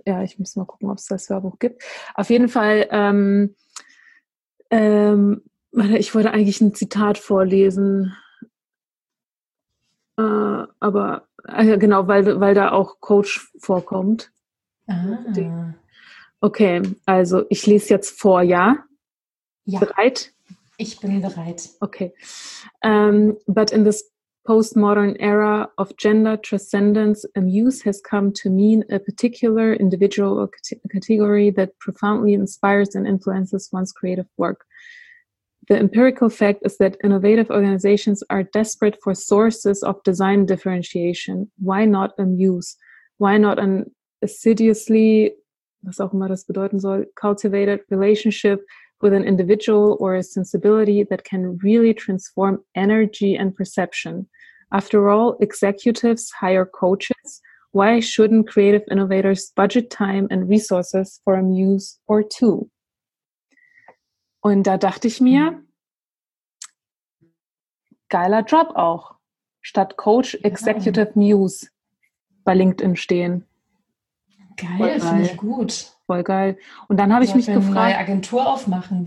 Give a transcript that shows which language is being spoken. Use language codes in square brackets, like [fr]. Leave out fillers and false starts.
[de] Ja, ich muss mal gucken, ob es das Hörbuch gibt. Auf jeden Fall, ich wollte eigentlich ein Zitat vorlesen. Aber genau, weil da auch Coach vorkommt. Okay, also ich lese jetzt vor, ja? Ja. Bereit? Ich bin bereit. Okay. [en] But in this postmodern era of gender transcendence, a muse has come to mean a particular individual or category that profoundly inspires and influences one's creative work. The empirical fact is that innovative organizations are desperate for sources of design differentiation. Why not a muse? Why not an assiduously, [de] was auch immer das bedeuten soll, [en] cultivated relationship with an individual or a sensibility that can really transform energy and perception? After all, executives hire coaches. Why shouldn't creative innovators budget time and resources for a muse or two? [de] Und da dachte ich mir, geiler Job auch, statt Coach Executive Muse bei LinkedIn stehen. Geil, finde ich gut. Voll geil. Und dann habe ich mich gefragt. Wir eine neue Agentur aufmachen.